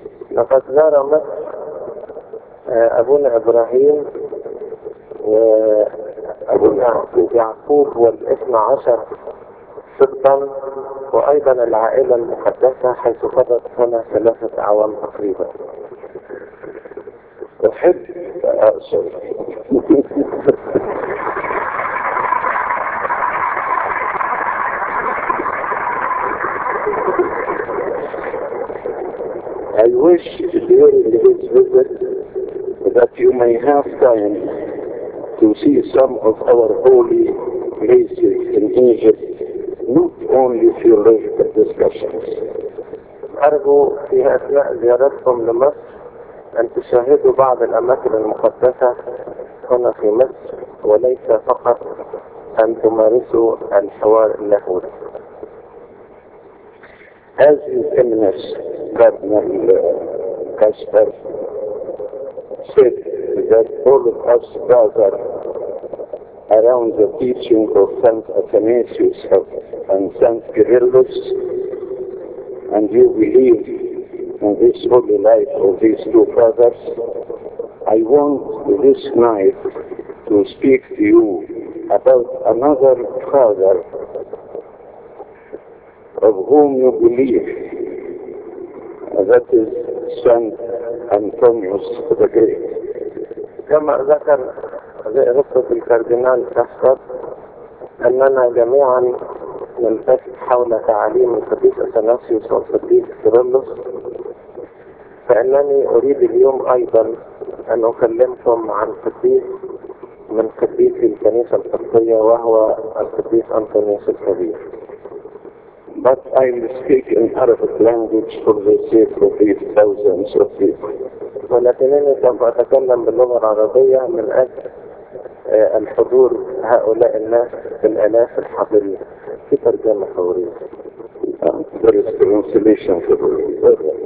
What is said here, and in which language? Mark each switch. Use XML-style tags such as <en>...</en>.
<ar>لقد زار مصر أبونا إبراهيم وأبونا يعقوب والإثنى عشر سبطا وأيضا العائلة المقدسة حيث قضت هنا 3 أعوام تقريبا. أحب أقصر</ar> <en>I wish during his visit that you may have time to see some of our holy places in Egypt, not only theological discussions.</en> <ar>أرجو في أثناء زيارتكم لمصر أن تشاهدوا بعض الأماكن المقدسة هنا في مصر وليس فقط أن تمارسوا الحوار اللاهوتي.</ar> <en>As His Eminence Cardinal Caspar said that all of us gather around the teaching of Saint Athanasius and Saint Cyrillus, and you believe and this holy life of these two brothers, I want this night to speak to you about another father of whom you believe, that is Saint Antonius the Great.</en> <ar>كما ذكر رفقة الكاردينال كاسبر أننا جميعا نلتفت حول تعاليم القديس أثناسيوس والقديس كيرلس، فإنني أريد اليوم أيضا أن أكلمكم عن قديس من قديس الكنيسة القبطية وهو القديس أنطونيوس الكبير.</ar> <en>But I will speak in Arabic language for the sake of these thousands of people.</en> <ar>ولكنني سوف أتكلم باللغة العربية من أجل الحضور هؤلاء الناس بالآلاف الحاضرين في ترجمة فورية.</ar> <en>There is translation for you.</en>